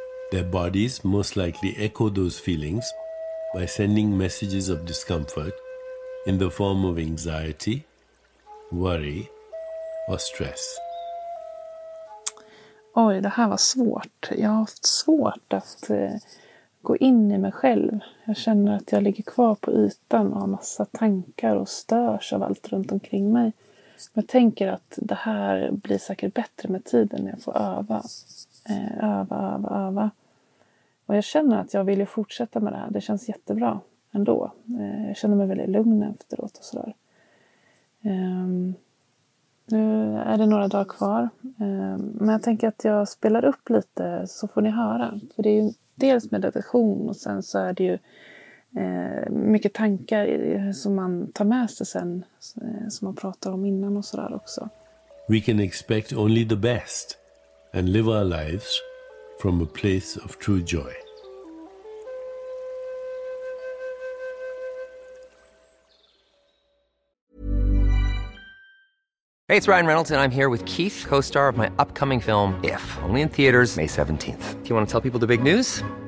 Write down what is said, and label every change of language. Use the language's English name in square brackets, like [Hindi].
[English] Their bodies most likely echo those feelings by sending messages of discomfort in the form of anxiety, worry, or stress. [Swedish] Oj, det här var svårt. Jag har haft svårt att gå in i mig själv. Jag känner att jag ligger kvar på ytan och har massa tankar och störs av allt runt omkring mig. Men jag tänker att det här blir säkert bättre med tiden när jag får öva. Öva. Och jag känner att jag vill ju fortsätta med det här. Det känns jättebra ändå. Jag känner mig väldigt lugn efteråt och sådär. Nu är det några dagar kvar. Men jag tänker att jag spelar upp lite så får ni höra. För det är ju dels meditation och sen så är det ju mycket tankar som man tar med sig sen. Som man pratar om innan och sådär också. [English] We can expect only the best and live our lives from a place of true joy. Hey, it's Ryan Reynolds, and I'm here with Keith, co-star of my upcoming film, If, only in theaters May 17th. Do you want to tell people the big news?